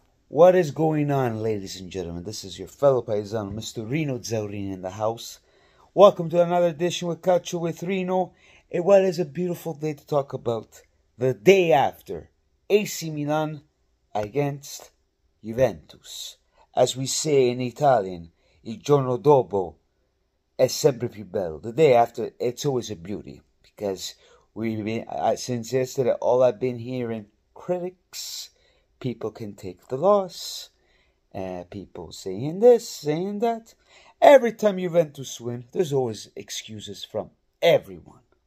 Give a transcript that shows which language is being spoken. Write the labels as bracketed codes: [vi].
[en] What is going on, ladies and gentlemen? This is your fellow paisano, Mr. Reno Zellerin, in the house. Welcome to another edition with Cacho with Reno. And what is a beautiful day to talk about. The day after AC Milan against Juventus. As we say in Italian, [it] il giorno dopo è sempre più bello. [en] The day after, it's always a beauty. Because we've been, since yesterday, all I've been hearing, critics, people can take the loss. People saying this, saying that. Every time Juventus win, there's always excuses from everyone.